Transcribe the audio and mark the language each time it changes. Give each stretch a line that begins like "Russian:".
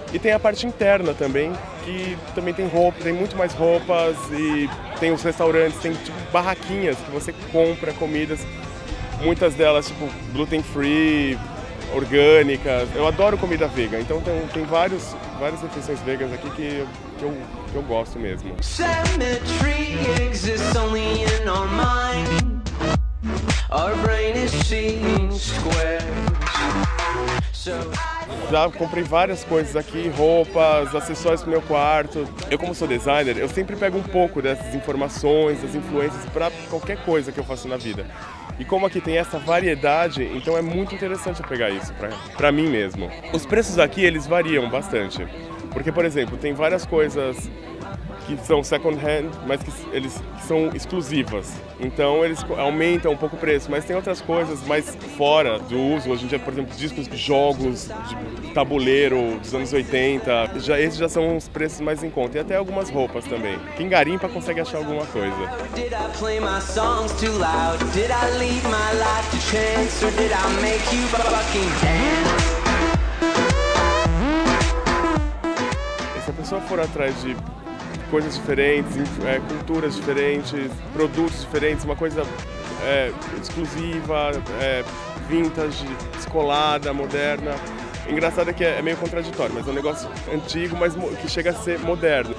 Portuguese: E tem a parte interna também, que também tem roupa, tem muito mais roupas, e tem os restaurantes, tem tipo barraquinhas que você compra comidas, muitas delas tipo gluten free, orgânicas. Eu adoro comida vegana, então tem várias refeições vegas aqui que eu gosto mesmo.
English: Cemetery exists only in our mind. Our brain is seeing squares.
Portuguese: So já comprei várias coisas aqui, roupas, acessórios pro meu quarto. Eu, como sou designer, eu sempre pego um pouco dessas informações, das influências, para qualquer coisa que eu faço na vida. E como aqui tem essa variedade, então é muito interessante eu pegar isso pra mim mesmo. Os preços aqui, eles variam bastante. Porque, por exemplo, tem várias coisas que são second hand, mas que são exclusivas. Então eles aumentam um pouco o preço, mas tem outras coisas mais fora do uso. Hoje em dia, por exemplo, discos de jogos, de tabuleiro dos anos 80. Esses já são os preços mais em conta. E até algumas roupas também. Quem garimpa consegue achar alguma coisa.
English: Did I play my songs too loud? Did I leave my life to chance? Or did I make you fucking dance?
Portuguese: Se a pessoa for atrás de coisas diferentes, culturas diferentes, produtos diferentes, uma coisa exclusiva, vintage, descolada, moderna. Engraçado é que é meio contraditório, mas é um negócio antigo, mas que chega a ser moderno.